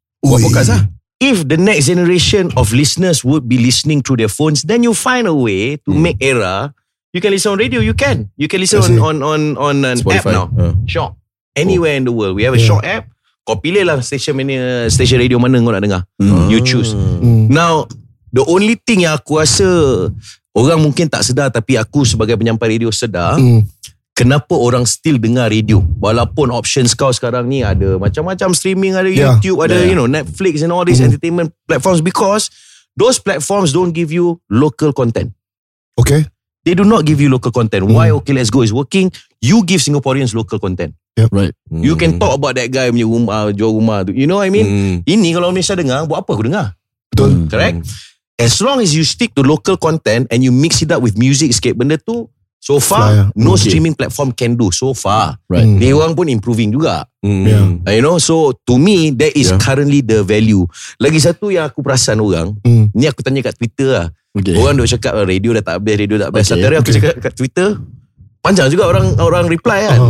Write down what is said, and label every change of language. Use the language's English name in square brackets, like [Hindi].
[Malay] Buat podcast lah. [English] If the next generation of listeners would be listening through their phones, then you find a way to make era. You can listen on radio, you can. You can listen on an Spotify. App now. Short. Anywhere in the world. We have a short app. [Malay] Kau pilih lah station radio mana kau nak dengar. [English] You choose. Now, the only thing [Malay] yang aku rasa orang mungkin tak sedar, tapi aku sebagai penyampai radio sedar, kenapa orang still dengar radio? Walaupun options kau sekarang ni ada macam-macam streaming, ada YouTube, ada [English] you know, Netflix and all these entertainment platforms, because those platforms don't give you local content. Okay. They do not give you local content. Why Okay Let's Go is working, you give Singaporeans local content. Yep. Right. You can talk about that guy [Malay] punya rumah, jual rumah tu. [English] You know what I mean? [Malay] Ini kalau Malaysia dengar, buat apa aku dengar? Betul. [English] Correct? As long as you stick to local content and you mix it up with music [Malay] sikit, benda tu, [English] so far, no streaming platform can do. So far. Right. [Malay] They orang pun improving juga. [English] Yeah. You know, so to me, that is currently the value. [Malay] Lagi satu yang aku perasan orang, ni aku tanya kat Twitter lah. [English] Okay. [Malay] Orang duk cakap radio dah tak best, radio dah tak best. Okay. Satu aku cakap kat Twitter, panjang juga orang reply kan.